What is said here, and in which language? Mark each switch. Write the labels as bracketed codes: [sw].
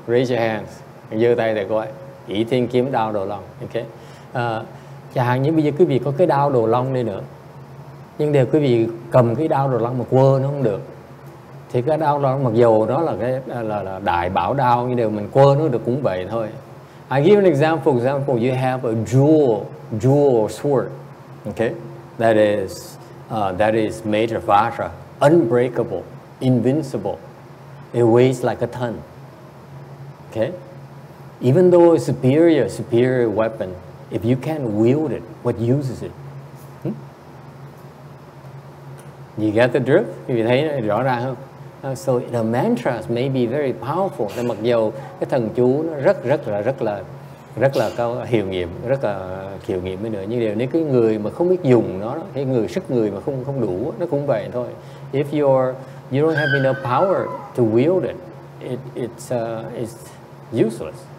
[en] Raise your hands. [vi] Giơ tay để coi. Ý Thiên Kiếm, đao Đồ Long. Okay. Chẳng hạn như bây giờ quý vị có cái đao Đồ Long đây nữa. Nhưng đều quý vị cầm cái đao Đồ Long mà quơ nó không được. Thì cái đao đó mặc dù đó là cái là đại bảo đao, nhưng đều mình quơ nó được cũng vậy thôi. [en] I give an example, you have a jewel sword, okay, that is made of vajra, unbreakable, invincible, it weighs like a ton, okay, even though it's superior weapon, if you can't wield it, what use is it? You get the drift? [vi] Quý vị thấy rõ ràng không? [en] So the mantras may be very powerful. [vi] Mặc dù cái thần chú nó rất rất là rất là rất là có hiệu nghiệm, rất là hiệu nghiệm mới nữa. Nhưng điều nếu cái người mà không biết dùng nó, cái người sức người mà không đủ, nó cũng vậy thôi. [en] If you don't have enough power to wield it, it's useless.